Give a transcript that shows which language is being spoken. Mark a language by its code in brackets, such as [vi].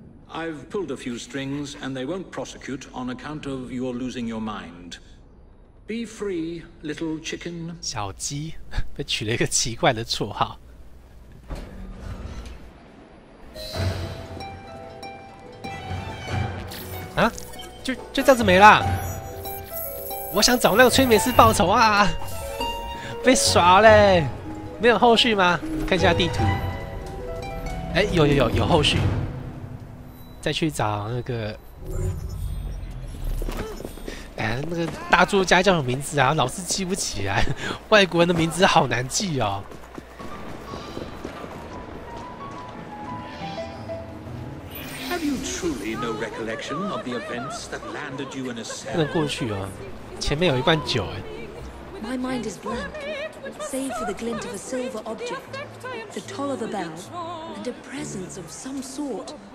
[en] I've pulled a few strings, and they won't prosecute on account of your losing your mind. Be free, little chicken. [zh] 小鸡被取了一个奇怪的绰号。啊？就这样子没了？我想找那个催眠师报仇啊！被耍嘞，没有后续吗？看一下地图。哎、欸，有后续，再去找那个，哎、欸，那个大作家叫什么名字啊？老是记不起来，外国人的名字好难记哦。 [en] Have you truly no recollection of the events that landed you in a cell？ [zh] 不能过去啊，前面有一罐酒哎、欸。 [en] My mind is blank. Save for the glint of a silver object, the toll of a bell, and a presence of some sort.